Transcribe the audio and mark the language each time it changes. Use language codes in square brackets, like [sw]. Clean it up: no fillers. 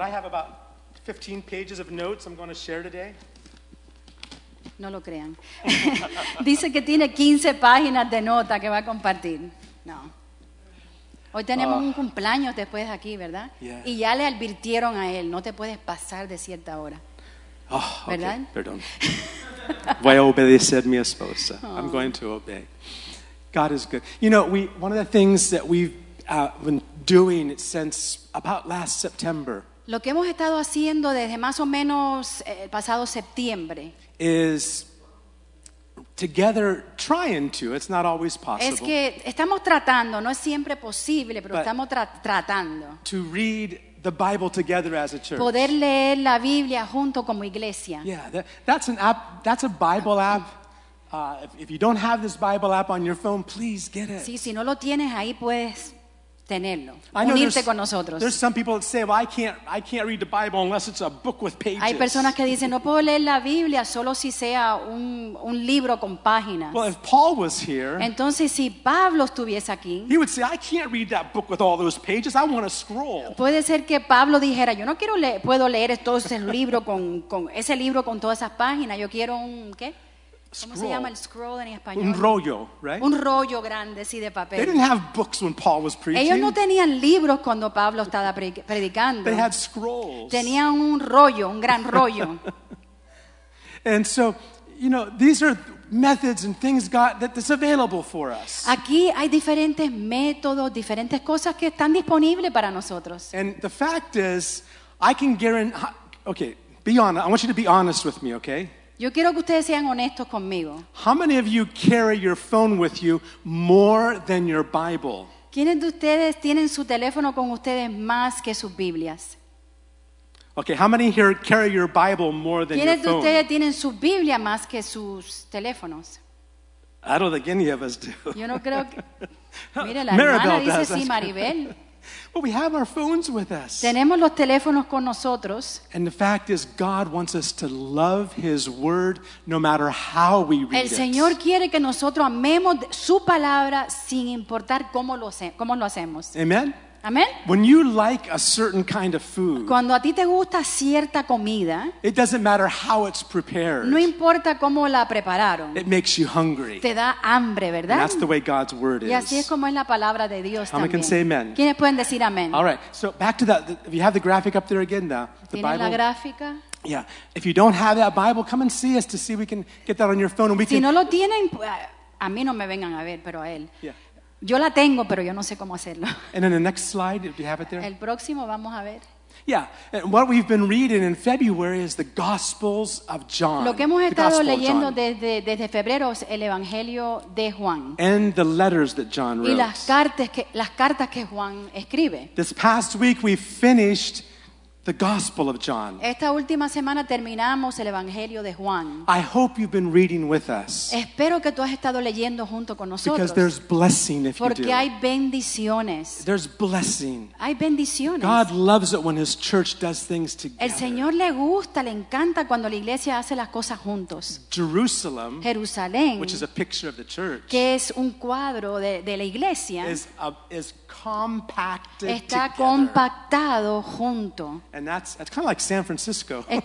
[en] I have about 15 pages of notes I'm going to share today. [es] No lo crean. Dice que tiene 15 páginas de nota que va a compartir. No. Hoy tenemos un cumpleaños después de aquí, ¿verdad? [en] Yeah. [es] Y ya le advirtieron a él, no te puedes pasar de cierta hora. [en] Oh, okay. [es] ¿Verdad? Perdón. Voy a obedecer a mi esposa. [en] Oh. I'm going to obey. God is good. You know, one of the things that we've been doing since about last September. [es] Lo que hemos estado haciendo desde más o menos el pasado septiembre [en] is together trying to. It's not always possible. [es] Es que estamos tratando, no es siempre posible, pero estamos tratando. [en] To read the Bible together as a church. [es] Poder leer la Biblia junto como iglesia. [en] Yeah, that's an app, that's a Bible app. If you don't have this Bible app on your phone, please get it. [es] Sí, si no lo tienes ahí puedes tenerlo, unirte con nosotros. [en] There's some people that say, "Well, I can't read the Bible unless it's a book with pages." [es] Hay personas que dicen, "No puedo leer la Biblia solo si sea un libro con páginas." [en] Well, if Paul was here, [es] entonces si Pablo estuviese aquí, [en] he would say, "I can't read that book with all those pages. I want a scroll." [es] Puede ser que Pablo dijera, "Yo no quiero puedo leer todo ese libro con ese libro con todas esas páginas. Yo quiero un qué." [en] Scroll. [es] ¿Cómo se llama el scroll en español? Un rollo, right? Un rollo grande, sí, de papel. [en] They didn't have books when Paul was preaching. [es] Ellos no tenían libros cuando Pablo estaba predicando. [en] They had scrolls. [es] Tenían un rollo, un gran rollo. [en] And so, you know, these are methods and things God that is available for us. [es] Aquí hay diferentes métodos, diferentes cosas que están disponibles para nosotros. [en] And the fact is, I can guarantee. Okay, be honest. I want you to be honest with me, okay? [es] Yo quiero que ustedes sean honestos conmigo. [en] How many of you carry your phone with you more than your Bible? [es] ¿Quiénes de ustedes tienen su teléfono con ustedes más que sus Biblias? [en] Okay, how many here carry your Bible more than your phone? [es] ¿Quiénes de ustedes tienen su Biblia más que sus teléfonos? [en] I don't think any of us do. [es] Yo no creo que... Mira, la hermana dice sí, Maribel. [en] But we have our phones with us. [es] Tenemos los teléfonos con nosotros. [en] And the fact is, God wants us to love His Word no matter how we read it. [es] El Señor quiere que nosotros amemos su palabra sin importar cómo lo hacemos. Amen. Amen. [en] When you like a certain kind of food, [es] cuando a ti te gusta cierta comida, [en] it doesn't matter how it's prepared. [es] No importa cómo la prepararon. [en] It makes you hungry. [es] Te da hambre, ¿verdad? [en] And that's the way God's word is. [es] Y así es como es la palabra de Dios también. [en] How many can say amen? [es] ¿Quiénes pueden decir amén? [en] All right. So back to that. If you have the graphic up there again, though, the [es] Bible. ¿Tienes la gráfica? [en] Yeah. If you don't have that Bible, come and see us to see if we can get that on your phone and we [es] si [en] can. [es] Si no lo tienen, a mí no me vengan a ver, pero a él. [en] Yeah. [es] Yo la tengo, pero yo no sé cómo hacerlo. [en] And in the next slide, do you have it there? [es] El próximo vamos a ver. [en] Yeah, and what we've been reading in February is the Gospels of John. [es] Lo que hemos estado leyendo desde febrero es el Evangelio de Juan. [en] And the letters that John wrote. [es] Y las cartas que Juan escribe. [en] This past week we finished the Gospel of John. [es] Esta última semana terminamos el Evangelio de Juan. [en] I hope you've been reading with us. [es] Espero que tú has estado leyendo junto con nosotros. [en] Because there's blessing if [es] porque [en] you do. [es] Porque hay bendiciones. [en] There's blessing. [es] Hay bendiciones. [en] God loves it when His church does things together. [es] El Señor le gusta, le encanta cuando la iglesia hace las cosas juntos. [en] Jerusalem, [es] Jerusalén, [en] which is a picture of the church, [es] que es un cuadro de la iglesia, [en] is compacted [es] está [en] together. [es] Compactado junto. [en] And that's kind of like San Francisco.